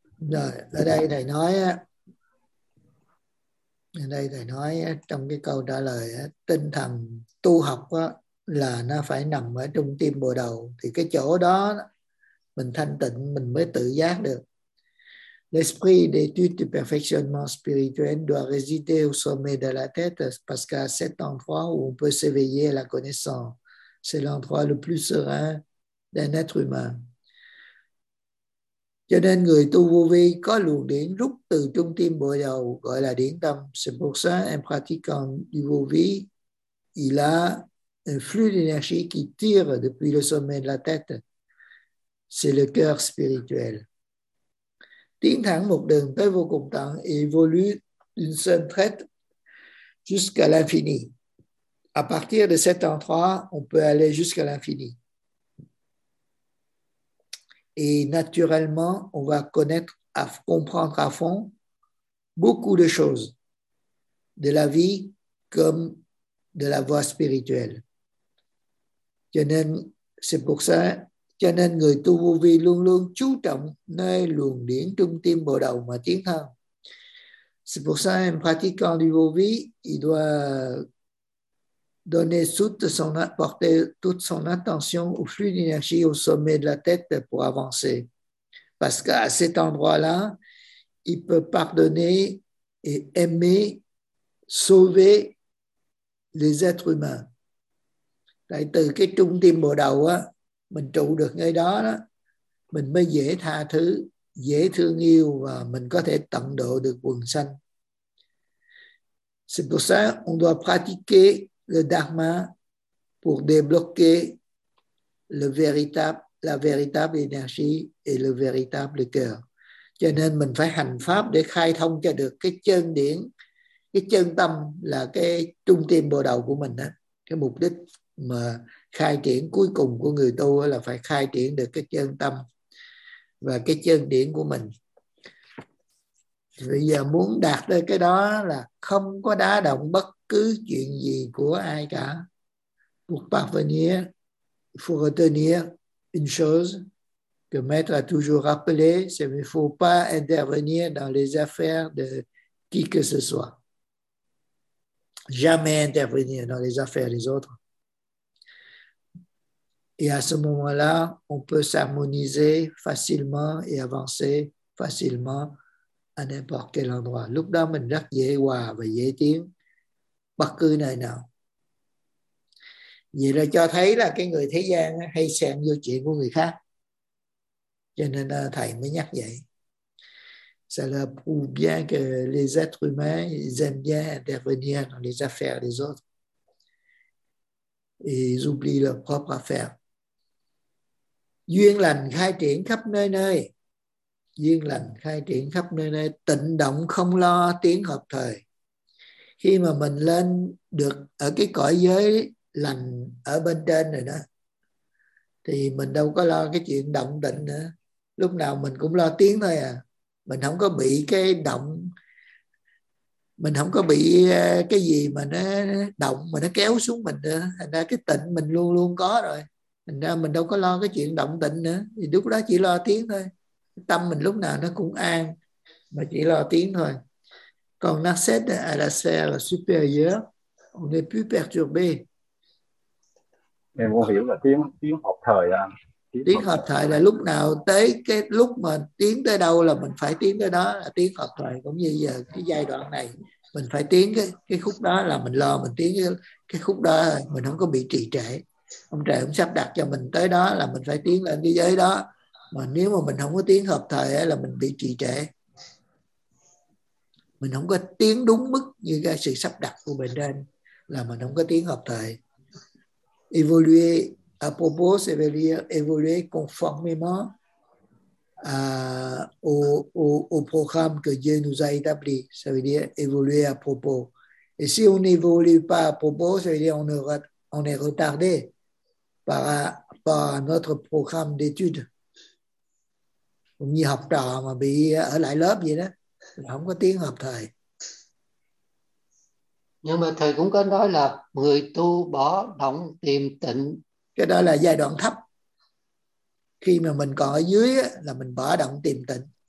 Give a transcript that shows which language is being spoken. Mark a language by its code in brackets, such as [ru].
[vi] Rồi, ở đây thầy nói á, ở đây thầy nói trong cái câu trả lời, tinh thần tu học là nó phải nằm ở trung tâm bộ đầu, thì cái chỗ đó mình thanh tịnh mình mới tự giác được. [fr] L'esprit d'étude du perfectionnement spirituel doit résider au sommet de la tête, parce qu'à cet endroit où on peut s'éveiller à la connaissance, c'est l'endroit le plus serein d'un être humain. [vi] Cho nên người tu vô vi có luồng điển rút từ trung tâm bộ đầu gọi là điển tâm. [fr] C'est pour ça un pratiquant du vô vi, il a un flux d'énergie qui tire depuis le sommet de la tête. C'est le cœur spirituel. [vi] Tiến thẳng một đường tới vô cùng tận, [fr] évolue d'une seule traite jusqu'à l'infini. À partir de cet endroit, on peut aller jusqu'à l'infini. Et naturellement, on va connaître, à comprendre à fond beaucoup de choses de la vie comme de la voie spirituelle. C'est pour ça, [vi] cho nên người tu vô vi luôn luôn chú trọng nơi luồng điển trung tâm bộ đầu mà tiến thân. [fr] C'est pour ça, un pratiquant du vô vi, il doit donner toute son, porter toute son attention au flux d'énergie au sommet de la tête pour avancer. Parce qu'à cet endroit-là, il peut pardonner et aimer, sauver les êtres humains. [vi] Tại từ cái trung tâm bộ đầu á, mình trụ được nơi đó đó, mình mới dễ tha thứ, dễ thương yêu và mình có thể tận độ được quần sanh. [fr] C'est pour ça qu'on doit pratiquer le dharma pour débloquer le véritable, la véritable énergie et le véritable cœur. [vi] Cho nên mình phải hành pháp để khai thông cho được cái chân điển, cái chân tâm là cái trung tâm bồ đầu của mình đó. Cái mục đích mà khai triển cuối cùng của người tu là phải khai triển được cái chân tâm và cái chân điển của mình. Bây giờ muốn đạt tới cái đó là không có đá động bất cứ chuyện gì của ai cả. [fr] Pour parvenir, il faut retenir une chose que Maître a toujours rappelé, c'est qu'il ne faut pas intervenir dans les affaires de qui que ce soit. Jamais intervenir dans les affaires des autres. Et à ce moment-là, on peut s'harmoniser facilement et avancer facilement à n'importe quel endroit. [vi] Lúc đó mình rất dễ hòa và dễ tiến bất cứ nơi nào. Vậy là cho thấy là cái người thế gian hay xen vô chuyện của người khác. Cho nên thầy mới nhắc vậy. [fr] Ça le prouve bien que les êtres humains ils aiment bien intervenir dans les affaires des autres. Et ils oublient leur propre affaire. [vi] Duyên lành khai triển khắp nơi nơi. Duyên lành khai triển khắp nơi nơi. Tịnh động không lo tiếng hợp thời. Khi mà mình lên được ở cái cõi giới lành ở bên trên rồi đó, thì mình đâu có lo cái chuyện động tịnh nữa. Lúc nào mình cũng lo tiếng thôi à. Mình không có bị cái động, mình không có bị cái gì mà nó động mà nó kéo xuống mình nữa. Thành ra cái tịnh mình luôn luôn có rồi. Thành ra mình đâu có lo cái chuyện động tĩnh nữa. Thì lúc đó chỉ lo tiếng thôi. Tâm mình lúc nào nó cũng an. Mà chỉ lo tiếng thôi. [fr] Còn l'accès à la sphère supérieure, on n'est plus perturbé. [vi] Em có hiểu là tiếng, tiếng hợp thời à? Tiếng hợp thời là lúc nào tới cái lúc mà tiến tới đâu là mình phải tiến tới đó. Là tiếng hợp thời cũng như giờ cái giai đoạn này. Mình phải tiến cái khúc đó là mình lo. Mình tiến cái khúc đó mình không có bị trì trệ. Ông trời cũng sắp đặt cho mình tới đó là mình phải tiến lên cái giới đó. Mà nếu mà mình không có tiến hợp thời là mình bị trì trệ. Mình không có tiến đúng mức như cái sự sắp đặt của mình trên là mình không có tiến hợp thời. [fr] Évoluer à propos, c'est dire évoluer conformément à, au programme que Dieu nous a établi. Ça veut dire évoluer à propos. Et si on n'évolue pas à propos, ça veut dire on est retardé par par notre programme d'études. [vi] Cũng như học trò mà bị ở lại lớp vậy đó, là không có tiếng hợp thời. Nhưng mà thầy cũng có nói là người tu bỏ động tìm tịnh, cái đó là giai đoạn thấp. Khi mà mình còn ở dưới là mình bỏ động tìm tịnh.